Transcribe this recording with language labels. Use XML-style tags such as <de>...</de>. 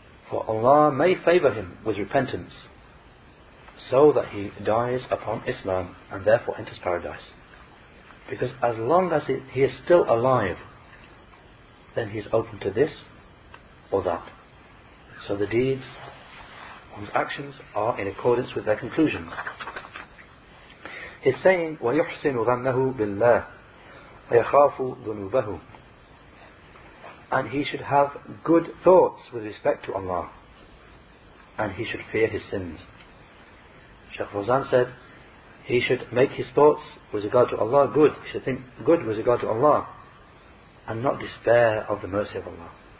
<en>For Allah may favour him with repentance, so that he dies upon Islam and therefore enters paradise. Because as long as he is still alive, then he is open to this or that. So the deeds, one's actions, are in accordance with their conclusions. He's saying,</en> <ar>وَيُحْسِنُ ظَنَّهُ بِاللَّهِ وَيَخَافُ ذُنُوبَهُ.</ar> <en>And he should have good thoughts with respect to Allah, and he should fear his sins. Sheikh Fawzan said, he should make his thoughts with regard to Allah good. He should think good with regard to Allah, and not despair of the mercy of Allah.</en>